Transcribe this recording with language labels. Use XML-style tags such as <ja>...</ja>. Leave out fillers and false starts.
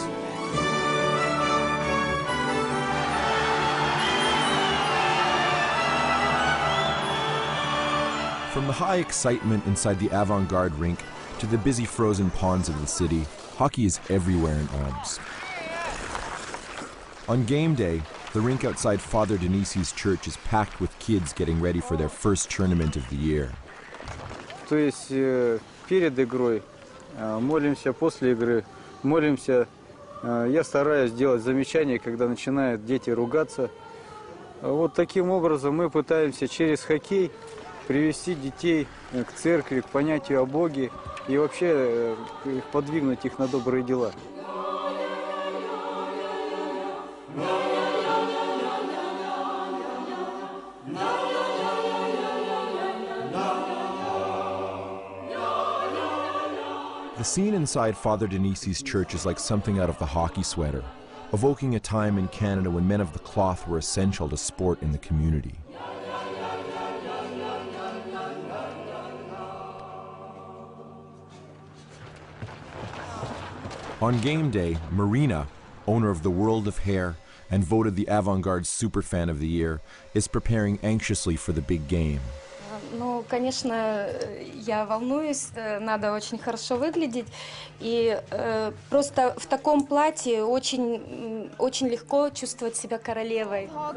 <en>From the high excitement inside the Avangard rink to the busy frozen ponds of the city, hockey is everywhere in Omsk. On game day, The rink outside Father Denisi's church is packed with kids getting ready for their first tournament of the year.</en> <ru>То есть перед игрой молимся, после игры молимся. Я стараюсь делать замечания, когда начинают дети ругаться. Вот таким образом мы пытаемся через хоккей привести детей к церкви, к понятию о Боге и вообще подвигнуть их на добрые дела.</ru> <en>The scene inside Father Denisi's church is like something out of the hockey sweater, evoking a time in Canada when men of the cloth were essential to sport in the community. On game day, Marina, owner of the World of Hair and voted the Avant-Garde Superfan of the Year, is preparing anxiously for the big game.</en> <ru>Ну, конечно, я волнуюсь, надо очень хорошо выглядеть. И просто в таком платье очень, очень легко чувствовать себя королевой.</ru>